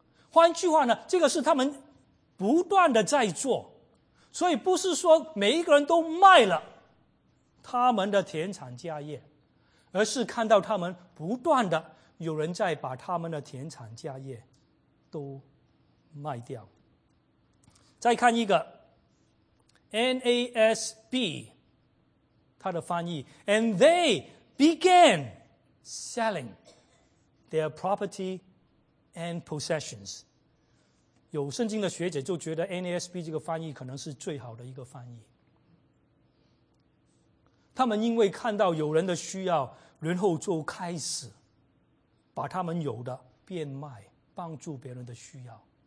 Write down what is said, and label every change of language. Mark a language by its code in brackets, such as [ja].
[zh] 换句话呢，这个是他们不断的在做，所以不是说每一个人都卖了他们的田产家业，而是看到他们不断的有人在把他们的田产家业都卖掉。再看一个 NASB 它的翻译， [en] And they began selling their property and possessions。 [zh] 有圣经的学者就觉得 NASB 这个翻译可能是最好的一个翻译。他们因为看到有人的需要，然后就开始把他们有的变卖，帮助别人的需要。